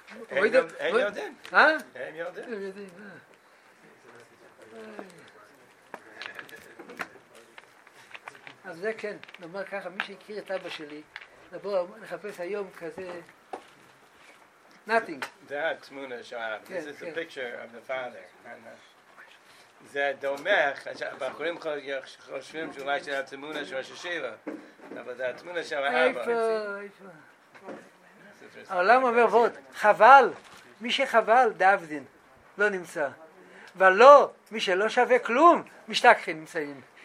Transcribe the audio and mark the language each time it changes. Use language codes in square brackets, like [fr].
[he] הם יודעים. אה? הם יודעים. אז זה כן, נאמר ככה, מי שהכיר את אבא שלי, לבוא לחפש היום כזה... [en] Nothing. [he] זה התמונה שאהב. [en] This is the picture of the father. [he] זה דומה, הבחורים חושבים שאולי של התמונה של ראש הישיבה. אבל זה התמונה של האבא. איפה? העולם אומר ועוד, חבל, מי שחבל, דאבדין, לא נמצא. ולא, מי שלא שווה כלום, משתכחים נמצאים.